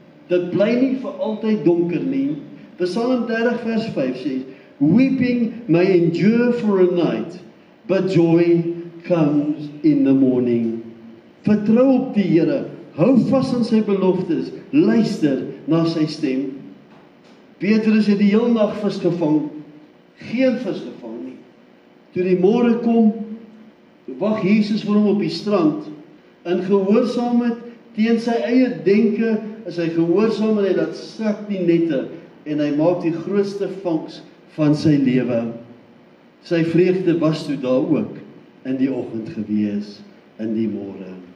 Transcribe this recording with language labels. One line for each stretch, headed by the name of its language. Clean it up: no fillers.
Afrikaans: Dit bly nie vir altyd donker nie. Psalm 30 vers 5 sê,
English: Weeping may endure for a night, but joy comes in the morning.
Afrikaans: Vertrou op die Here, hou vas aan sy beloftes, luister na sy stem. Petrus het die heel nag vis gevang, geen vis gevang nie. Toe die môre kom, wag Jesus vir hom op die strand, in gehoorsaamheid teen sy eie denke, is hy gehoorsaam en hy laat sak die nette, en hy maak die grootste vangs van sy lewe. Sy vreugde was toe daar ook, in die oggend gewees, in die môre.